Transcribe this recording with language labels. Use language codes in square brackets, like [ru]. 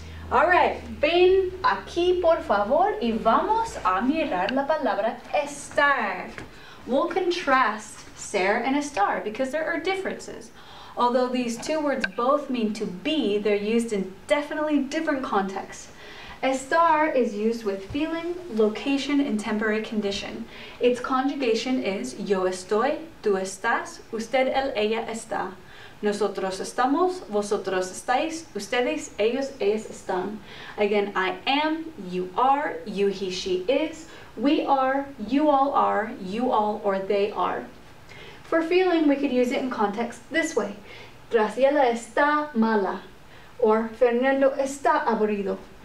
[en] All right, [es] ven aquí por favor y vamos a mirar la palabra estar. [en] We'll contrast ser and estar because there are differences. Although these two words both mean to be, they're used in definitely different contexts. Estar is used with feeling, location, and temporary condition. Its conjugation is [es] yo estoy, tú estás, usted, él, ella está. Nosotros estamos, vosotros estáis, ustedes, ellos, ellas están. [en] Again, I am, you are, you, he, she is, we are, you all, or they are. For feeling, we could use it in context this way. [es] Graciela está mala. Or Fernando está aburrido.